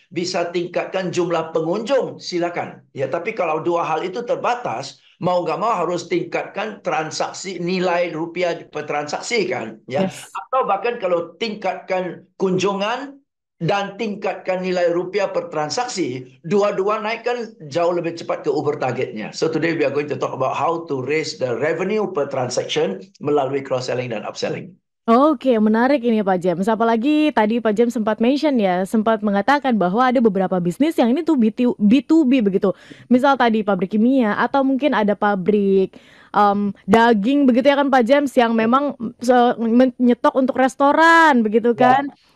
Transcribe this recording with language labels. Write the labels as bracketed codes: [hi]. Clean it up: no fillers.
[id] Bisa tingkatkan jumlah pengunjung, silakan. Ya, tapi kalau dua hal itu terbatas, mau nggak mau harus tingkatkan transaksi, nilai rupiah per transaksi kan, ya. Yes. Atau bahkan kalau tingkatkan kunjungan dan tingkatkan nilai rupiah per transaksi, dua-dua naikkan jauh lebih cepat ke Uber targetnya. [en] So today we are going to talk about how to raise the revenue per transaction [id] melalui cross-selling dan upselling. Okay, menarik ini Pak James. Apalagi tadi Pak James sempat mention ya, sempat mengatakan bahwa ada beberapa bisnis yang ini tuh B2B begitu. Misal tadi pabrik kimia atau mungkin ada pabrik daging begitu ya kan Pak James, yang memang menyetok untuk restoran begitu kan. Yeah.